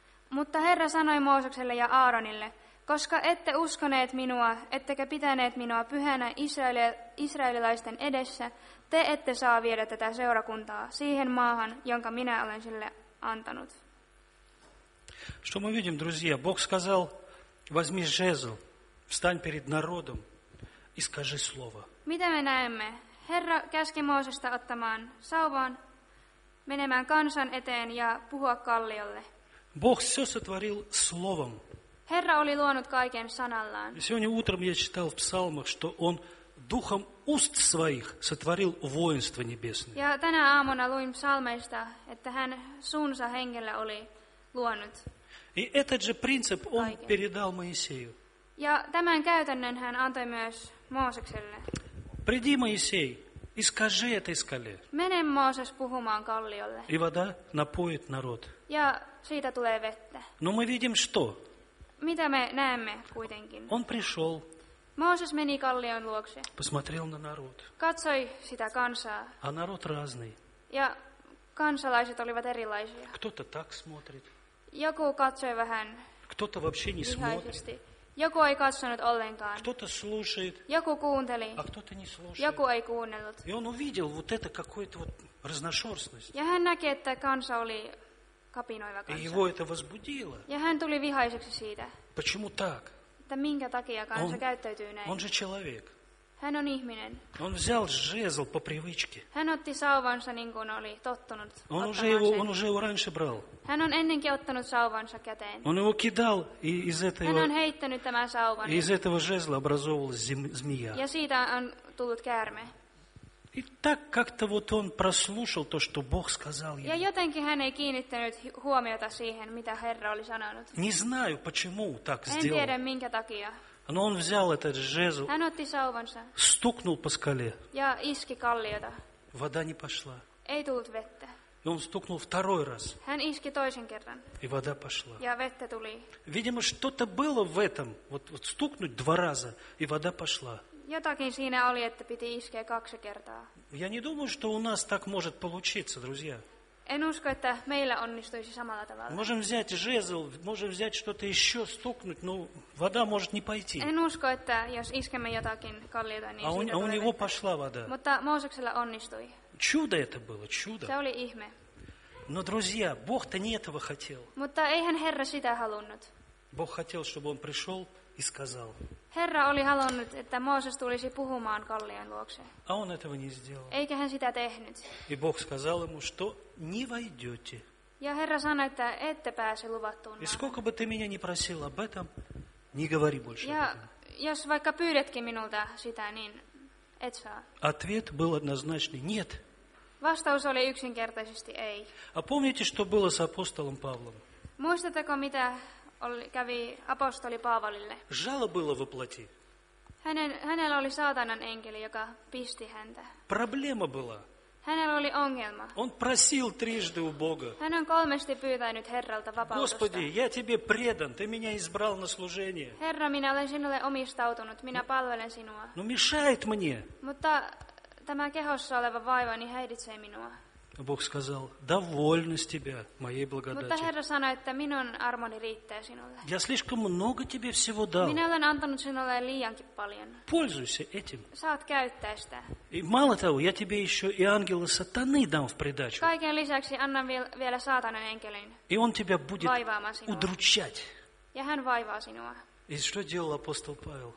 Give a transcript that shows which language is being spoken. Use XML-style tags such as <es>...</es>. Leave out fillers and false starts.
<fi>Mutta Herra sanoi Moosekselle ja Aaronille, koska ette uskoneet minua, ettekä pitäneet minua pyhänä israelilaisten edessä, te ette saa viedä tätä seurakuntaa siihen maahan, jonka minä olen sille antanut.</fi> <ru>Что мы видим, друзья? Бог сказал, возьми жезл, встань перед народом и скажи слово.</ru> <fi>Mitä me näemme? Herra käski Moosesta ottamaan sauvan, menemään kansan eteen ja puhua kalliolle.</fi> <ru>Бог все сотворил словом.</ru> <fi>Herra oli luonut kaiken sanallaan.</fi> <ru>Сегодня утром я читал в псалмах, что он духом уст своих сотворил воинство небесное.</ru> <fi>Ja tänä aamuna luin psalmeista, että hän suunsa hengellä oli luonut.</fi> <ru>И этот же принцип он передал Моисею.</ru> <fi>Ja tämän käytännön hän antoi myös Moosekselle.</fi> <ru>Приди, Моисей, и скажи этой скале.</ru> <fi>Mene Mooses puhumaan kalliolle.</fi> <ru>И вода напоит народ.</ru> <fi>Ja siitä tulee vettä.</fi> <ru>Но мы видим что?</ru> <fi>Mitä me näemme kuitenkin?</fi> <ru>Он пришел.</ru> <fi>Mooses meni kallion luokse.</fi> <ru>Посмотрел на народ.</ru> <fi>Katsoi sitä kansaa.</fi> <ru>А народ разный.</ru> <fi>Ja kansalaiset olivat erilaisia.</fi> <ru>Кто-то так смотрит.</ru> <fi>Joku katsoi vähän.</fi> <ru>Кто-то вообще не смотрит.</ru> <fi>Joku ei katsonut ollenkaan.</fi> <ru>Кто-то слушает.</ru> <fi>Joku kuunteli.</fi> <ru>А кто-то не слушает.</ru> <fi>Joku ei kuunnellut.</fi> <ru>И он увидел вот это какое-то вот разношерстность.</ru> <fi>Ja hän näki, että kansa oli kapinoiva kansa.</fi> <ru>И его это возбудило.</ru> <fi>Ja hän tuli vihaiseksi siitä.</fi> <ru>Почему так?</ru> <fi>Että minkä takia kansa käyttäytyy näin?</fi> <ru>Он же человек.</ru> <fi>Hän on ihminen.</fi> <ru>Он взял жезл по привычке.</ru> <fi>Hän otti sauvansa niin kuin oli tottunut.</fi> <ru>Он уже его раньше брал.</ru> <fi>Hän on ennenkin ottanut sauvansa käteen.</fi> <ru>Он его кидал из этого.</ru> <fi>Hän on heittänyt tämän sauvan.</fi> <ru>Из этого жезла образовалась змея.</ru> <fi>Ja siitä on tullut käärme.</fi> <ru>И так как-то вот он прослушал то, что Бог сказал ему.</ru> <fi>Ja jotenkin hän ei kiinnittänyt huomiota siihen, mitä Herra oli sanonut.</fi> <ru>Не знаю, почему так сделал.</ru> <fi>En tiedä, minkä takia.</fi> <ru>Но он взял этот жезл,</ru> <fi>hän otti sauvansa,</fi> <ru>стукнул по скале,</ru> <fi>ja iski kalliota.</fi> <ru>Вода не пошла.</ru> <fi>Ei tullut vettä.</fi> <ru>И он стукнул второй раз,</ru> <fi>hän iski toisen kerran,</fi> <ru>и вода пошла.</ru> <fi>Ja vettä tuli.</fi> <ru>Видимо, что-то было в этом, вот стукнуть два раза, и вода пошла.</ru> <fi>Jotakin siinä oli, että piti iskeä kaksi kertaa.</fi> <ru>Я не думаю, что у нас так может получиться, друзья.</ru> <fi>En usko, että meillä onnistuisi samalla tavalla.</fi> <ru>Можем взять жезл, можем взять что-то еще стукнуть, но вода может не пойти.</ru> <fi>En usko, että jos iskemme jotakin kalliota, niin siitä tulee.</fi> <ru>А у него пошла вода.</ru> <fi>Mutta Мосексella onnistui.</fi> <ru>Чудо это было, чудо.</ru> <fi>Se oli ihme.</fi> <ru>Но, друзья, Бог-то не этого хотел.</ru> <fi>Mutta eihän Herra sitä halunnut.</fi> <ru>Бог хотел, чтобы он пришел и сказал.</ru> <fi>Herra oli halunnut, että Mooses tulisi puhumaan kallion luokse.</fi> <ru>А он этого не сделал.</ru> <fi>Eikä hän sitä tehnyt.</fi> <ru>И Бог сказал ему, что не войдете.</ru> <fi>Ja Herra sanoi, että ette pääse luvattuun maahan.</fi> <ru>И сколько бы ты меня не просил об этом, не говори больше об этом.</ru> <fi>Ja jos vaikka pyydätkin minulta sitä, niin et saa.</fi> <ru>Ответ был однозначный – нет.</ru> <fi>Vastaus oli yksinkertaisesti – ei.</fi> <ru>А помните, что было с апостолом Павлом?</ru> <fi>Muistatteko, mitä kävi apostoli Paavalille?</fi> <ru>Жало было во плоти.</ru> <fi>Hänellä oli saatanan enkeli, joka pisti häntä.</fi> <ru>Проблема была.</ru> <fi>Hänellä oli ongelma.</fi> <ru>Он просил трижды у Бога.</ru> <fi>Hän on kolmesti pyytänyt Herralta vapautusta.</fi> <ru>Господи, я тебе предан, ты меня избрал на служение.</ru> <fi>Herra, minä olen sinulle omistautunut, minä palvelen sinua.</fi> <ru>Но мешает мне.</ru> <fi>Mutta tämä kehossa oleva vaiva niin häiritsee minua.</fi> <ru>Бог сказал: "Довольна с тебя моей благодати".</ru> <fi>Mutta Herra sanoi, että minun armoni riittää sinulle.</fi> <ru>Я слишком много тебе всего дал.</ru> <fi>Minä olen antanut sinulle liiankin paljon.</fi> <ru>Пользуйся этим.</ru> <fi>Saat käyttää sitä.</fi> <ru>И мало того, я тебе еще и ангела сатаны дам в придачу.</ru> <fi>Kaiken lisäksi annan vielä saatanan enkelin.</fi> <ru>И он тебя будет удручать.</ru> <fi>Ja hän vaivaa sinua.</fi> <ru>И что делал апостол Павел?</ru>